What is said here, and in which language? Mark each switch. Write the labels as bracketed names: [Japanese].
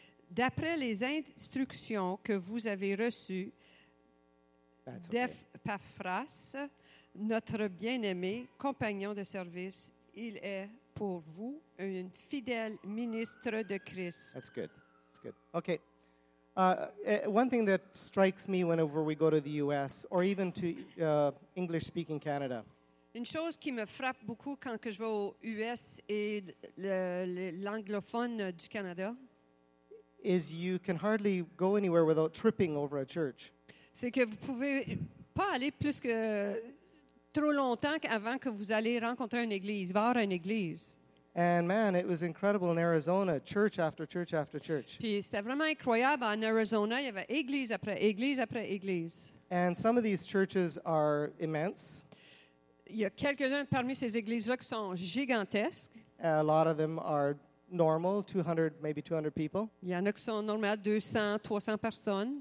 [French] D'après les instructions que vous avez reçues d'Epaphras, notre bien-aimé compagnon de service, il est pour vous un fidèle ministre de Christ. [English] That's good. That's good. Okay. One thing that strikes me whenever we go to the U.S. or even to English-speaking Canada. [French] Une chose qui me frappe beaucoup quand que je vais aux U.S. et l'anglophone du Canada. [English] Is you can hardly go anywhere without tripping over a church. [French] C'est que vous pouvez pas aller plus que trop longtemps avant que vous allez rencontrer une église, voir une église. [English] And man, it was incredible in Arizona, church after church after church. [French] Puis c'était vraiment incroyable en Arizona, il y avait église après église après église. [English] And some of these churches are immense. [French] Il y a quelques-uns parmi ces églises-là qui sont gigantesques. [English] A lot of them are normal, 200, maybe 200 people. [French] Il y en a qui sont normales, 200, 300 personnes.